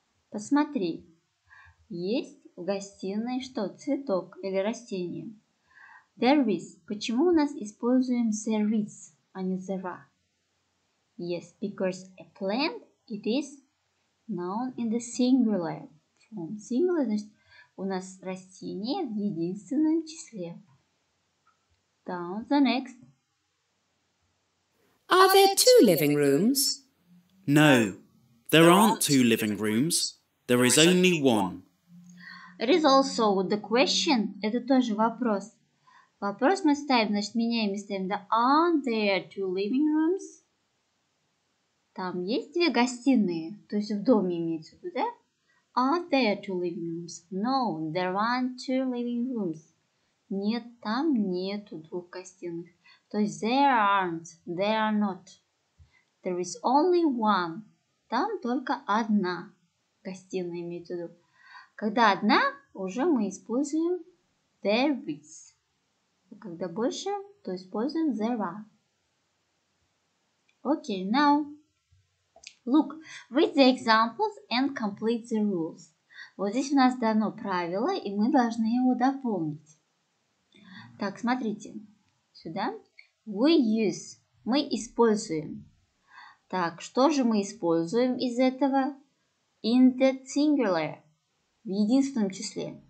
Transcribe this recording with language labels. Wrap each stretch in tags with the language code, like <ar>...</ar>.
<ru>Посмотри. Есть в гостиной что? Цветок или растение. There is. Почему у нас используем there is, а не there are?</ru> <en>Yes, because a plant, it is noun in the singular form.</en> <ru>Singular, значит, у нас растение в единственном числе.</ru> <en>Down the next. Are there two living rooms? No, there aren't two living rooms. There is only one. It is also the question.</en> <ru>Это тоже вопрос. Вопрос мы ставим, значит, меняем и ставим, да,</ru> <en>aren't there two living rooms?</en> <ru>Там есть две гостиные, то есть в доме имеется в виду, да?</ru> <en>Are there two living rooms? No, there aren't two living rooms.</en> <ru>Нет, там нету двух гостиных. То есть there aren't, there are not. There is only one. Там только одна гостиная имеется в виду. Когда одна, уже мы используем there is. А когда больше, то используем there are.</ru> <en>Okay, now. Look, read the examples and complete the rules.</en> <ru>Вот здесь у нас дано правило, и мы должны его дополнить. Так, смотрите. Сюда.</ru> <en>We use.</en> <ru>Мы используем. Так, что же мы используем из этого?</ru> <en>In the singular.</en> <ru>В единственном числе.</ru>